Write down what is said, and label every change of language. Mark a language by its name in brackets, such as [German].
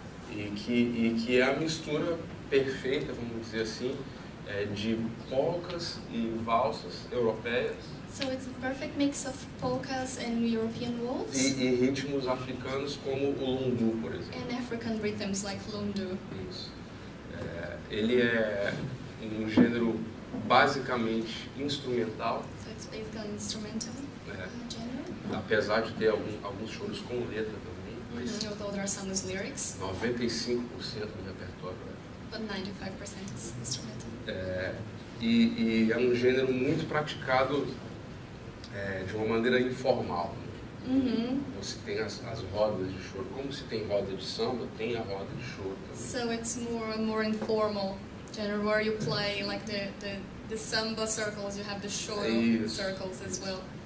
[Portuguese] E que é a mistura perfeita, vamos dizer assim, de polcas e valsas europeias. [English] So it's a perfect mix of polkas and European waltz. [Portuguese] E ritmos africanos como o lundu, por exemplo. [English] And African rhythms like lundu. [Portuguese] Isso. Ele é um gênero basicamente instrumental. [English] So it's basically instrumental. [Portuguese] Apesar de ter alguns choros com letra também. [English] Although there are some with lyrics. [Portuguese] 95% do repertório. [English] But 95% is instrumental. [Portuguese] E é um gênero muito praticado de uma maneira informal. Você tem as rodas de choro, como se tem roda de samba, tem a roda de choro também. [English] So it's more informal genre where you play like the samba circles, you have the choro circles as well.